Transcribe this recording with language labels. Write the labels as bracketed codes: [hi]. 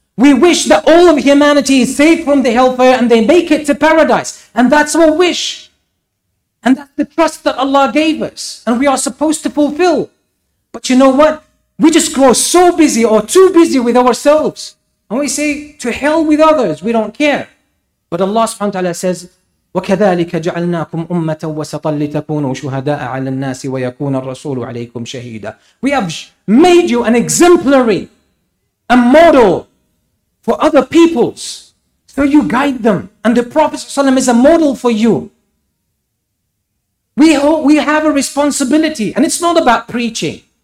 [en] We wish that all of humanity is saved from the hellfire and they make it to paradise. And that's our wish. And that's the trust that Allah gave us. And we are supposed to fulfill. But you know what? We just grow so busy or too busy with ourselves. And we say, to hell with others. We don't care. But Allah subhanahu wa ta'ala says, [ar] وَكَذَلِكَ جَعَلْنَاكُمْ أُمَّةً وَسَطًا لِتَكُونُوا شُهَدَاءَ عَلَى النَّاسِ وَيَكُونَ الرَّسُولُ عَلَيْكُمْ شَهِيدًا. [en] We have made you an exemplary, a model for other peoples. So you guide them. And the Prophet ﷺ is a model for you. We have a responsibility. And it's not about preaching.